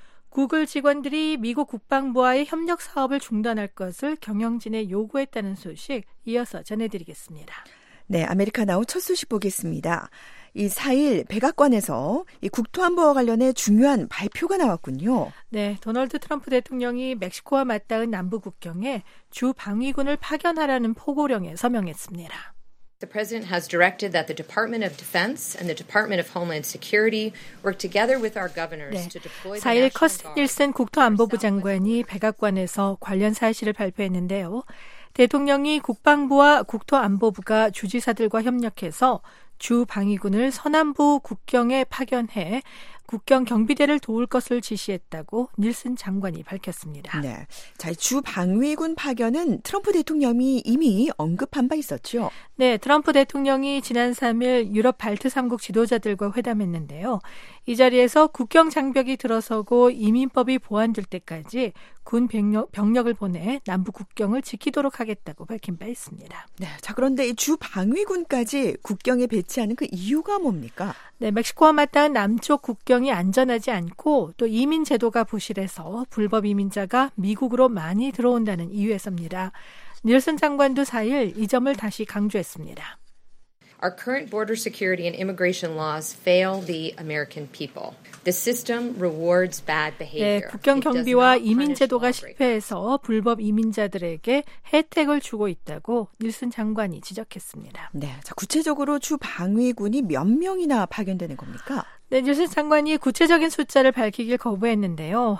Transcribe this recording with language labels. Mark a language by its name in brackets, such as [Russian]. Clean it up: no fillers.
[Korean] 구글 직원들이 미국 국방부와의 협력 사업을 중단할 것을 경영진에 요구했다는 소식 이어서 전해드리겠습니다. 네, 아메리카 나우 첫 소식 보겠습니다. 이 4일 백악관에서 이 국토안보와 관련해 중요한 발표가 나왔군요. 네, 도널드 트럼프 대통령이 멕시코와 맞닿은 남부 국경에 주 방위군을 파견하라는 포고령에 서명했습니다. [English] The president has directed that the Department of Defense and the Department of Homeland Security work together with our governors 네, to deploy. [Korean] 4일 커스틴 닐슨 국토안보부 장관이 백악관에서 관련 사실을 발표했는데요. 대통령이 국방부와 국토안보부가 주지사들과 협력해서 주 방위군을 서남부 국경에 파견해 국경 경비대를 도울 것을 지시했다고 닐슨 장관이 밝혔습니다. 네, 자, 주 방위군 파견은 트럼프 대통령이 이미 언급한 바 있었죠? 네, 트럼프 대통령이 지난 3일 유럽 발트 3국 지도자들과 회담했는데요. 이 자리에서 국경 장벽이 들어서고 이민법이 보완될 때까지 군 병력을 보내 남북 국경을 지키도록 하겠다고 밝힌 바 있습니다. 네, 자 그런데 이 주 방위군까지 국경에 배치하는 그 이유가 뭡니까? 네, 멕시코와 맞닿은 남쪽 국경이 안전하지 않고 또 이민 제도가 부실해서 불법 이민자가 미국으로 많이 들어온다는 이유에서입니다. 닐슨 장관도 4일 이 점을 다시 강조했습니다. [English] Our current border security and immigration laws fail the American people. The system rewards bad behavior. [Korean] 네, 국경 경비와 이민 제도가 실패해서 불법 이민자들에게 혜택을 주고 있다고 닐슨 장관이 지적했습니다. 네, 자 구체적으로 주 방위군이 몇 명이나 파견되는 겁니까? 네, 뉴스 장관이 구체적인 숫자를 밝히길 거부했는데요.